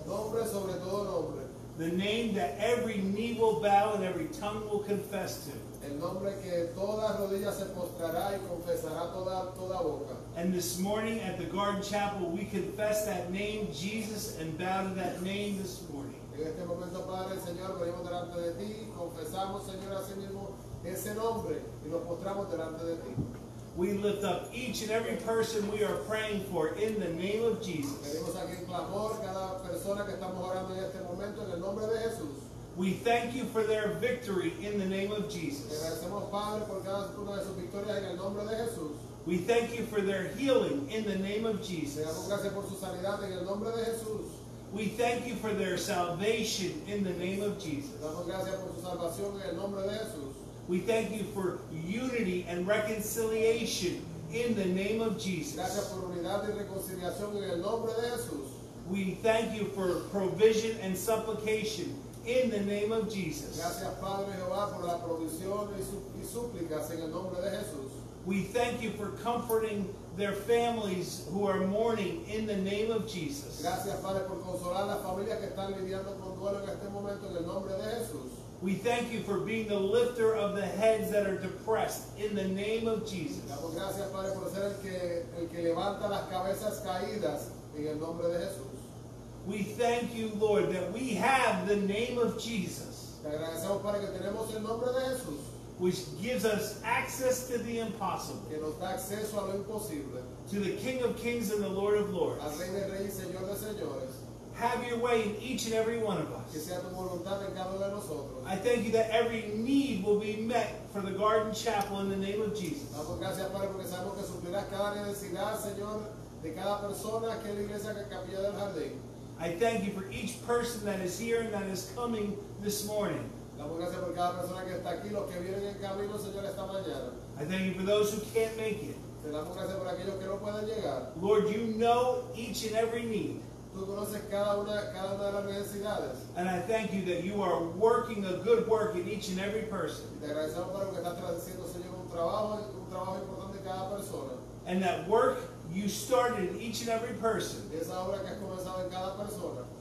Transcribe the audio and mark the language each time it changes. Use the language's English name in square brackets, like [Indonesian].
[English] The name that every knee will bow and every tongue will confess to. And this morning at the Garden Chapel, we confess that name, Jesus, and bow to that name this morning. [Spanish] En este momento, Padre, Señor, venimos delante de ti, confesamos, Señor, así mismo, ese nombre, y nos postramos delante de ti. [English] We lift up each and every person we are praying for in the name of Jesus. [Spanish] Pedimos aquí el clamor, cada persona que estamos orando en este momento, en el nombre de Jesús. [English] We thank you for their victory in the name of Jesus. [Spanish] Agradecemos, Padre, por cada una de sus victorias en el nombre de Jesús. [English] We thank you for their healing in the name of Jesus. [Spanish] Damos gracias por su sanidad en el nombre de Jesús. [English] We thank you for their salvation in the name of Jesus. [Spanish] Damos gracias por su salvación en el nombre de Jesús. [English] We thank you for unity and reconciliation in the name of Jesus. [Spanish] Gracias por unidad y reconciliación en el nombre de Jesús. [English] We thank you for provision and supplication in the name of Jesus. [Spanish] Gracias, Padre Jehová, por la provisión y súplicas en el nombre de Jesús. [English] We thank you for comforting their families who are mourning in the name of Jesus. [Spanish] Gracias, Padre, por consolar las familias que están lidiando con duelo en este momento en el nombre de Jesús. [English] We thank you for being the lifter of the heads that are depressed in the name of Jesus. [Spanish] Damos gracias, Padre, por ser el que levanta las cabezas caídas en el nombre de Jesús. [English] We thank you, Lord, that we have the name of Jesus. [Spanish] Te agradecemos, Padre, que tenemos el nombre de Jesús. [English] Which gives us access to the impossible. [Spanish] Que nos da acceso a lo imposible. [English] To the King of Kings and the Lord of Lords. [Spanish] Al Rey de Reyes, Señor de Señores. [English] Have your way in each and every one of us. [Spanish] Que sea tu voluntad en cada uno de nosotros. [English] I thank you that every need will be met for the Garden Chapel in the name of Jesus. [Spanish] Damos gracias, Padre, porque sabemos que suplirás cada necesidad, Señor, de cada persona que es la iglesia que capilla del jardín. [English] I thank you for each person that is here and that is coming this morning. [Spanish] Damos gracias por cada persona que está aquí, los que vienen en camino, Señor, esta mañana. [English] I thank you for those who can't make it. [Spanish] Te damos gracias por aquellos que no puedan llegar. [English] Lord, you know each and every need. [Spanish] Tú conoces cada una de las necesidades. [English] And I thank you that you are working a good work in each and every person. [Spanish] Y te agradecemos por lo que estás haciendo, Señor, un trabajo importante en cada persona. [English] And that work you started in each and every person. [Spanish] Esa obra que has comenzado en cada persona.